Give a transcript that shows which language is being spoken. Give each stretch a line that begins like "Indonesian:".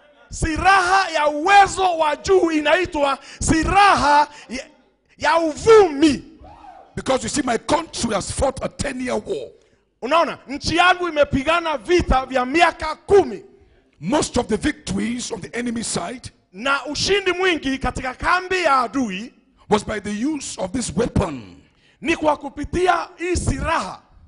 Swahili: Siraha ya uwezo wa juu inaitwa siraha ya uvumi.
English: Because you see, my country has fought a 10-year war.
Swahili: Unaona, nchi yangu imepigana vita vya miaka kumi.
English: Most of the victories on the enemy side,
Swahili: na ushindi mwingi katika kambi ya adui,
English: was by the use of this weapon.
Swahili: Ni kwa kupitia hii siraha.